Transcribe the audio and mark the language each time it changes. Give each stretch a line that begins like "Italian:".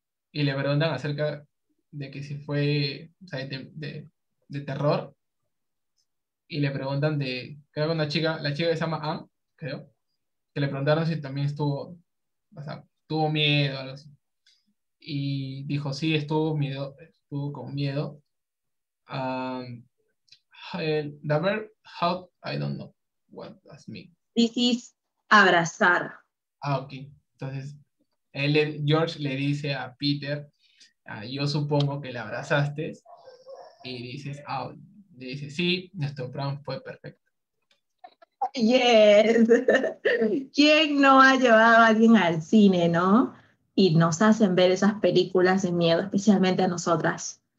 Spanish: Y le preguntan acerca de que si fue, o sea, de terror. Y le preguntan de, creo que una chica, la chica se llama Anne, creo. Que le preguntaron si también estuvo, o sea, tuvo miedo o algo así. Y dijo, sí, estuvo con miedo.
English: The verb, how, I don't know what that's mean. This is abrazar.
Spanish: Ah, ok. Entonces... George le dice a Peter, yo supongo que la abrazaste, y dices, oh, le dice, sí, nuestro plan fue perfecto.
English: Yes.
Spanish: ¿Quién no ha llevado a alguien al cine, no? Y nos hacen ver esas películas de miedo, especialmente a nosotras.